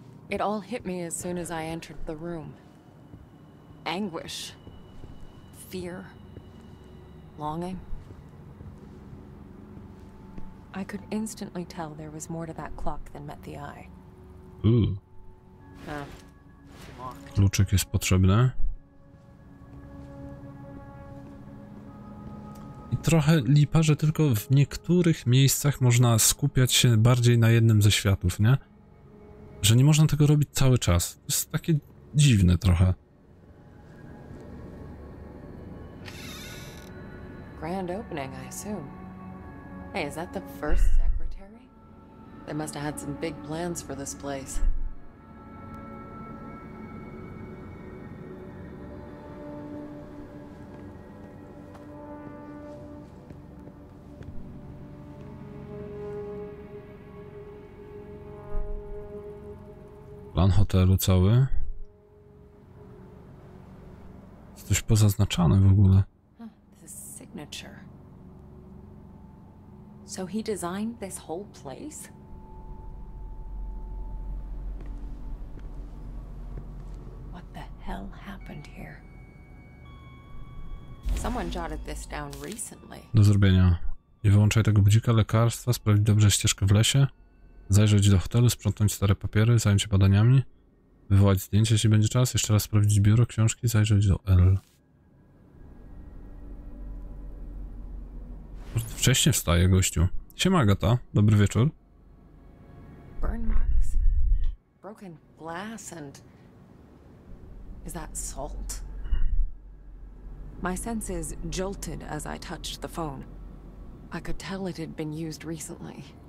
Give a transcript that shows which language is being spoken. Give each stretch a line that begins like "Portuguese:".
English: It all hit me as soon as I entered the room. Anguish. Fear. Longing. I could instantly tell there was more to that clock than met the eye.
Polish: Kluczyk jest potrzebny. I trochę lipa, że tylko w niektórych miejscach można skupiać się bardziej na jednym ze światów, nie? Że nie można tego robić cały czas. To jest takie dziwne trochę.
English: Grand opening, I assume. Hey, is that the first secretary? They must have had some big plans for this place.
Polish: Plan hotelu cały. Jest coś pozaznaczane w ogóle.
English: Signature. So he designed this whole place? What the hell happened here? Someone jotted this down recently.
Polish: Do zrobienia. Nie wyłączaj tego budzika, lekarstwa, sprawdzić dobrze ścieżkę w lesie, zajrzeć do hotelu, sprzątnąć stare papiery, zająć się badaniami, wywołać zdjęcie, jeśli będzie czas, jeszcze raz sprawdzić biuro, książki, zajrzeć do L. Wcześniej wstaje, gościu. Siema, Agata. Dobry wieczór.
English: Burn marks, broken glass and is that salt? My senses jolted as I touched the phone. I could tell it had been used recently.